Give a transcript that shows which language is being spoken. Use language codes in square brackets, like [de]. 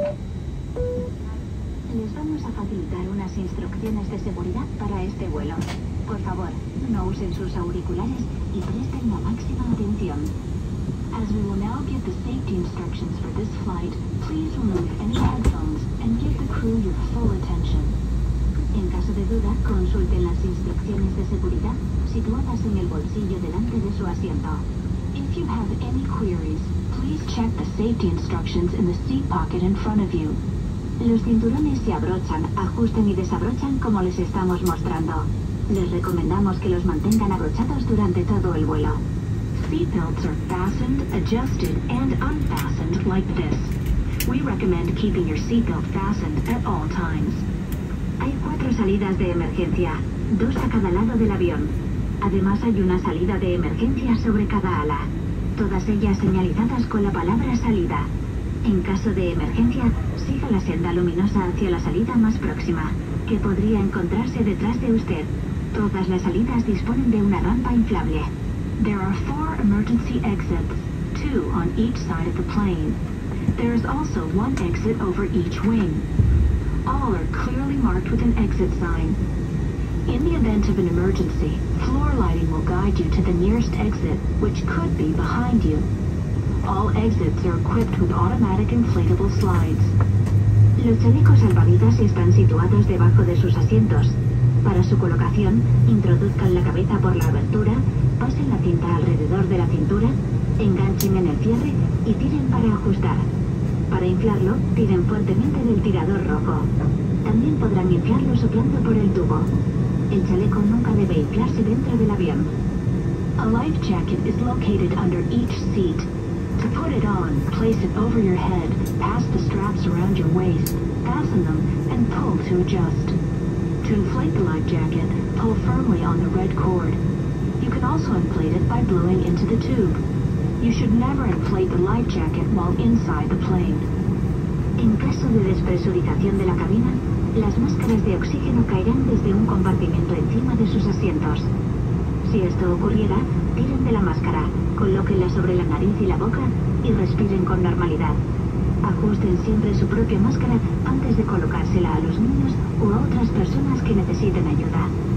[es] Les vamos a facilitar unas instrucciones de seguridad para este vuelo. Por favor, no usen sus auriculares y presten la máxima atención. [en] As we will now give the safety instructions for this flight, please remove any headphones and give the crew your full attention. [es] En caso de duda, consulten las instrucciones de seguridad situadas en el bolsillo delante de su asiento. [en] If you have any queries, please check the safety instructions in the seat pocket in front of you. [es] Los cinturones se abrochan, ajusten y desabrochan como les estamos mostrando. Les recomendamos que los mantengan abrochados durante todo el vuelo. [en] Seatbelts are fastened, adjusted, and unfastened like this. We recommend keeping your seatbelt fastened at all times. [es] Hay cuatro salidas de emergencia, dos a cada lado del avión. Además hay una salida de emergencia sobre cada ala. Todas ellas señalizadas con la palabra salida. En caso de emergencia, siga la senda luminosa hacia la salida más próxima, que podría encontrarse detrás de usted. Todas las salidas disponen de una rampa inflable. [en] There are four emergency exits, two on each side of the plane. There is also one exit over each wing. All are clearly marked with an exit sign. In the event of an emergency, floor lighting will guide you to the nearest exit, which could be behind you. All exits are equipped with automatic inflatable slides. [es] Los chalecos salvavidas están situados debajo de sus asientos. Para su colocación, introduzcan la cabeza por la abertura, pasen la cinta alrededor de la cintura, enganchen en el cierre y tiren para ajustar. Para inflarlo, tiren fuertemente del tirador rojo. También podrán inflarlo soplando por el tubo. El chaleco nunca debe inflarse dentro del avión. [en] A life jacket is located under each seat. To put it on, place it over your head, pass the straps around your waist, fasten them, and pull to adjust. To inflate the life jacket, pull firmly on the red cord. You can also inflate it by blowing into the tube. You should never inflate the life jacket while inside the plane. [es] En caso de despresurización de la cabina, las máscaras de oxígeno caerán desde un compartimento encima de sus asientos. Si esto ocurriera, tiren de la máscara, colóquenla sobre la nariz y la boca y respiren con normalidad. Ajusten siempre su propia máscara antes de colocársela a los niños o a otras personas que necesiten ayuda.